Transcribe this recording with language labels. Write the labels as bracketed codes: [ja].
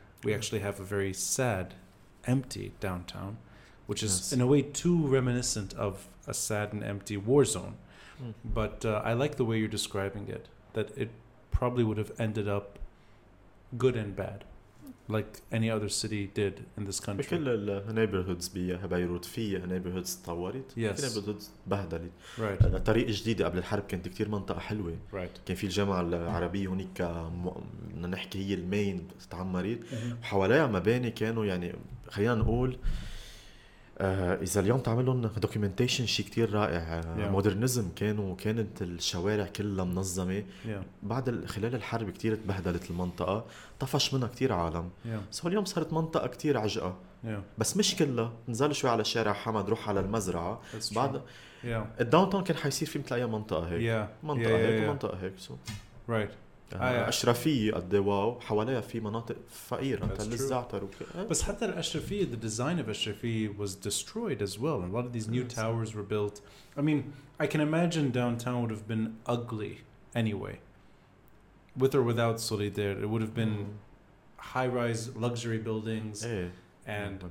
[en] We actually have a very sad, empty downtown, which is in a way too reminiscent of a sad and empty war zone. But I like the way you're describing it, that it probably would have ended up good and bad, like any other city did in this country. [ar] بكل [en] neighborhoods [ar] ببيروت في neighborhoods تطورت في neighborhoods بهدلت طريق جديد قبل الحرب كانت كتير منطقة حلوة كان في الجامعة العربية هناك نحكي هي المين تعمرت وحواليها مباني كانوا يعني خلينا نقول إذا اليوم تعملون [en] documentation [ar] شيء كتير رائع مودرنزم كانت الشوارع كلها منظمة بعد خلال الحرب كتير تبهدلت المنطقة طفش منها كتير عالم بس اليوم صارت منطقة كتير عجقة بس مش كلها نزل شوي على شارع حمد روح على المزرعة بعد الداونتاون كان حيصير فيه مثل أي منطقة هيك منطقة هيك [en] right [ar] أشرفية الدواو حواليها في مناطق فقيرة مثل الزعتر بس حتى الأشرفية [en] the design of أشرفية was destroyed as well and a lot of these new towers were built I mean I can imagine downtown would have been ugly anyway with or without Solidaire it would have been high rise luxury buildings and